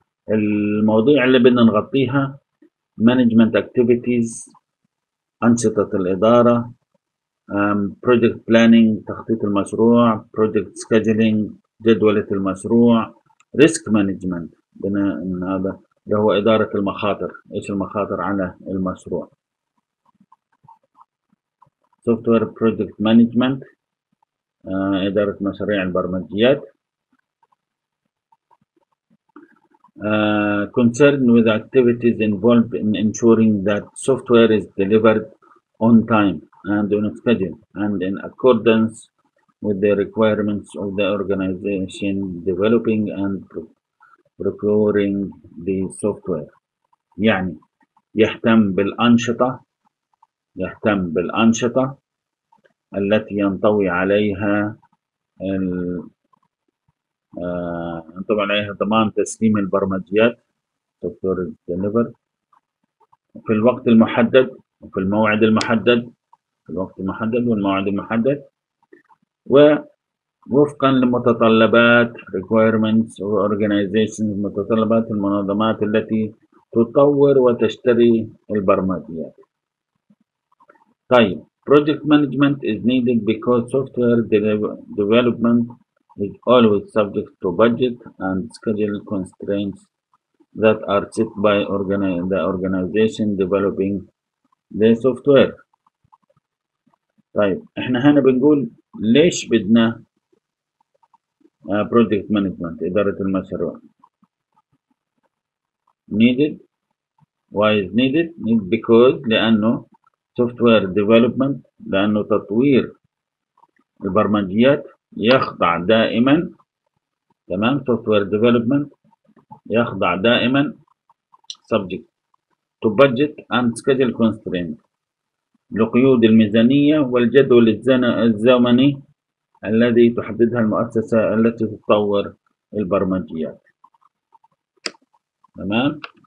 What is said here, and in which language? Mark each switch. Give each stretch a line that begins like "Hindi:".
Arabic: المواضيع اللي بدنا نغطيها Management Activities، أنشطة الإدارة، Project Planning، تخطيط المشروع، Project Scheduling، جدولة المشروع، Risk Management، بناء من هذا اللي هو إدارة المخاطر، إيش المخاطر على المشروع. Software Project Management، إدارة مشاريع البرمجيات.
English: Concerned with activities involved in ensuring that software is delivered on time and on schedule and in accordance with the requirements of the organization developing and procuring the software.
Arabic: يعني يهتم بالأنشطة التي ينطوي عليها ينطوي عليها ضمان تسليم البرمجيات
English: software deliver
Arabic: في الوقت المحدد وفي الموعد المحدد، في الوقت المحدد والموعد المحدد، ووفقا لمتطلبات
English: requirements of organizations،
Arabic: متطلبات المنظمات التي تطور وتشتري البرمجيات.
English: طيب، Project management is needed because software development is always subject to budget and schedule constraints that are set by the organization developing the software.
Arabic: طيب، احنا هنا بنقول ليش بدنا project management، إدارة المشروع.
English: Needed. Why is needed? Need because
Arabic: لأنه
English: software development،
Arabic: لأن تطوير البرمجيات يخضع دائما، تمام، software development يخضع دائما
English: subject to budget and schedule constraints،
Arabic: لقيود الميزانية والجدول الزمني الذي تحددها المؤسسة التي تطور البرمجيات، تمام.